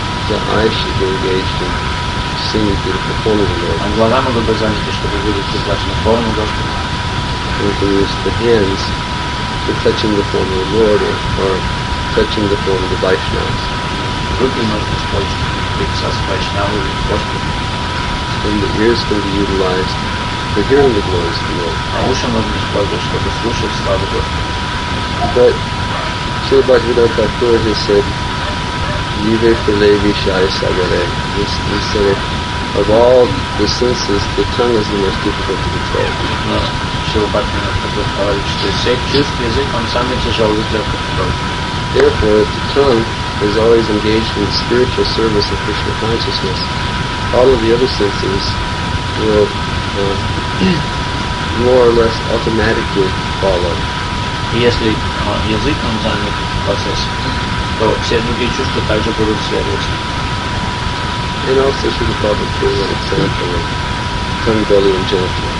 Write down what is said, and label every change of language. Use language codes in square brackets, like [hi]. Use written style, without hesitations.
[en] The eyes should be engaged in seeing the beautiful form of the Lord. [ru] And глаза могут быть заняты, чтобы видеть прекрасную форму Господа. [en] We can use the hands for touching the form of the Lord or touching the form of the Vaishnavas. [ru] Руки можно использовать прикасаться к Вайшнаву или к Господу. [en] And the ears can be utilized for hearing the glories of the Lord. [ru] А уши можно использовать, чтобы слушать славу Господа. [en] But Srila Bhaktivedanta Thakura has said, Yive Phile Vishaya Sagare. He said, of all the senses, the tongue is the most difficult to control. [ru] Но Srila Bhaktivedanta Thakura говорит, что из всех чувств язык, он самый тяжелый для контроля. [en] Therefore, if the tongue is always engaged in the spiritual service of Krishna consciousness, all of the other senses will more or less automatically follow. [ru] Если язык нам занят в процессе, то все другие чувства также будут следовать. [en] And also Srila Prabhupada gave an example of tongue, belly and genital.